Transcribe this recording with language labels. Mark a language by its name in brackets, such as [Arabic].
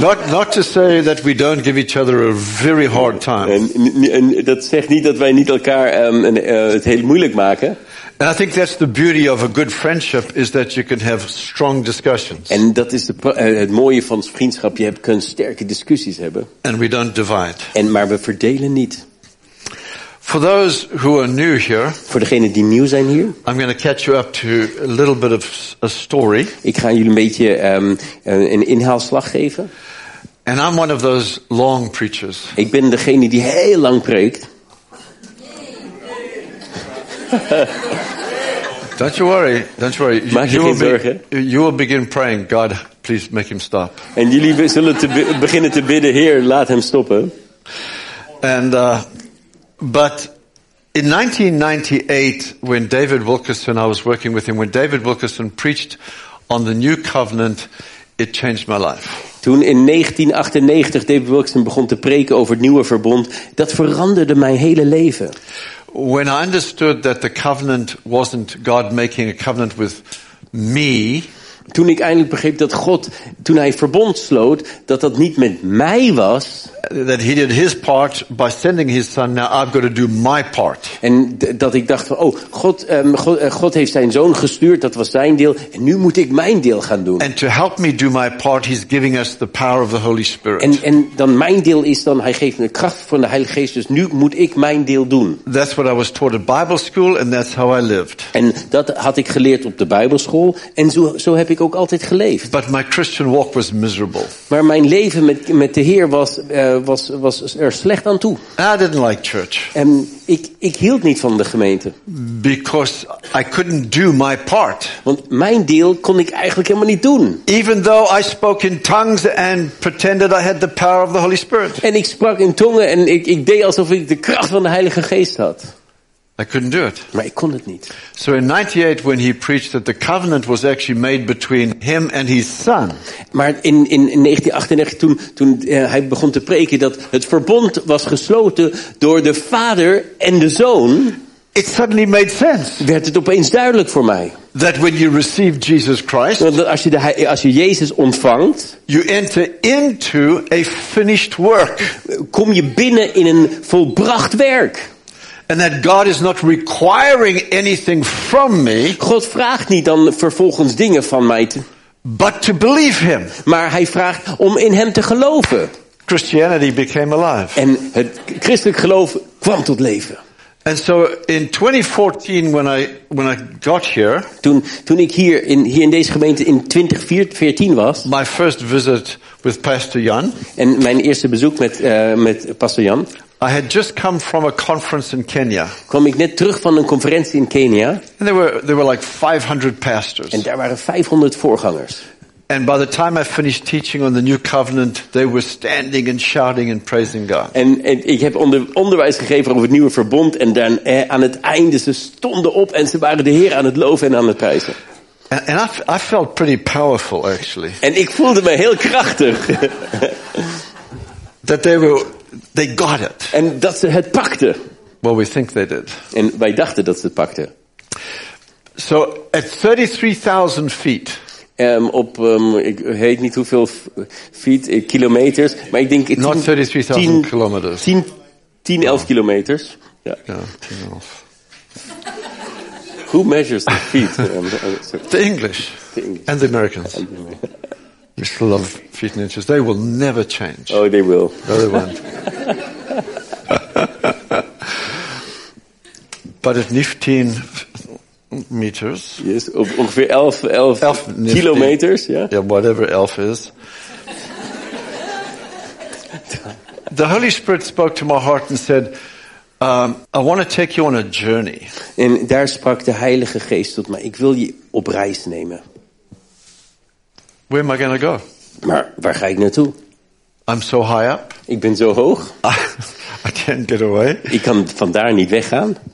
[English] Not to say that we don't give each other a very hard time. [Dutch] En dat zegt niet dat wij niet elkaar het heel moeilijk maken. [English] And I think that's the beauty of a good friendship is that you can have strong discussions. [Dutch] En dat is het mooie van vriendschap. Je kunt sterke discussies hebben. [English] And we don't divide. [Dutch] En maar we verdelen niet. [English] For those who are new here, [Dutch] voor degenen die nieuw zijn hier, [English] I'm going to catch you up to a little bit of a story. [Dutch] Ik ga jullie een beetje een inhaalslag geven. [English] And I'm one of those long preachers. [Dutch] Ik ben degene die heel lang preekt. [English] Don't you worry. [Dutch] Maak je geen zorgen. [English] You will begin praying, God, please make him stop. [Dutch] En jullie zullen beginnen te bidden, Heer, laat hem stoppen. [English] But in 1998, when David Wilkerson, I was working with him, when David Wilkerson preached on the new covenant, it changed my life. [Dutch] Toen in 1998 David Wilkerson begon te preken over het nieuwe verbond, dat veranderde mijn hele leven. [English] When I understood that the covenant wasn't God making a covenant with me. [Dutch] Toen ik eindelijk begreep dat God, toen hij verbond sloot, dat dat niet met mij was. [English] That he did his part by sending his son. Now I've got to do my part. [Dutch] En dat ik dacht van, God heeft zijn zoon gestuurd. Dat was zijn deel. En nu moet ik mijn deel gaan doen. [English] And to help me do my part, he's giving us the power of the Holy Spirit. [Dutch] En dan mijn deel is dan, hij geeft me de kracht van de Heilige Geest. Dus nu moet ik mijn deel doen. [English] That's what I was taught at Bible school, and that's how I lived. [Dutch] En dat had ik geleerd op de Bijbelschool. En zo heb ik ook altijd geleefd. [English] But my Christian walk was miserable. [Dutch] Maar mijn leven met de Heer was er slecht aan toe. [English] I didn't like church. [Dutch] En ik hield niet van de gemeente. [English] Because I couldn't do my part. [Dutch] Want mijn deel kon ik eigenlijk helemaal niet doen. [English] Even though I spoke in tongues and pretended I had the power of the Holy Spirit. [Dutch] En ik sprak in tongen en ik deed alsof ik de kracht van de Heilige Geest had. [English] I couldn't do it. [Dutch] Maar ik kon het niet. [English] So in 98 when he preached that the covenant was actually made between him and his son. [Dutch] Maar in 1998 toen hij begon te preken dat het verbond was gesloten door de vader en de zoon. [English] It suddenly made sense. [Dutch] Werd het opeens duidelijk voor mij. [English] That when you receive Jesus Christ, [Dutch] als je Jezus ontvangt, [English] you enter into a finished work. [Dutch] Kom je binnen in een volbracht werk. [English] And that God is not requiring anything from me. [Dutch] God vraagt niet dan vervolgens dingen van mij. [English] But to believe him. [Dutch] Maar hij vraagt om in hem te geloven. [English] Christianity became alive. [Dutch] En het christelijk geloof kwam tot leven. [English] And so in 2014 when I got here. [Dutch] Toen ik hier in deze gemeente in 2014 was. [English] My first visit with Pastor Jan. [Dutch] En mijn eerste bezoek met Pastor Jan. [English] I had just come from a conference in Kenya. [Dutch] Kom ik net terug van een conferentie in Kenia. [English] And there were like 500 pastors. [Dutch] En daar waren 500 voorgangers. [English] And by the time I finished teaching on the new covenant, they were standing and shouting and praising God. [Dutch] En ik heb onderwijs gegeven over het nieuwe verbond en dan aan het einde ze stonden op en ze waren de Heer aan het loven en aan het prijzen. [English] And I felt pretty powerful actually. [Dutch] En ik voelde me heel krachtig. [English] That they got it. [Dutch] En dat ze het pakten. [English] Well, we think they did. [Dutch] En wij dachten dat ze het pakten. [English] So at 33,000 feet. [Dutch] Ik weet niet hoeveel feet, kilometers, maar ik denk 10 kilometers. 10-11 kilometers. Ja. Ja, 10-11. [English] Who measures the feet? The English. The English and the Americans. We still love feet and inches. They will never change. Oh, they will. No, they won't. But at 15 meters. [Dutch] Yes, ongeveer 11 kilometers. Yeah. [English] Yeah, whatever 11 is. The Holy Spirit spoke to my heart and said, I want to take you on a journey. [Dutch] En daar sprak de Heilige Geest tot mij. Ik wil je op reis nemen. [English] Where am I going to go? [Dutch] Maar waar ga ik naartoe? [English] I'm so high up. [Dutch] Ik ben zo hoog. [English] I can't get away. [Dutch] Ik kan vandaar niet weggaan.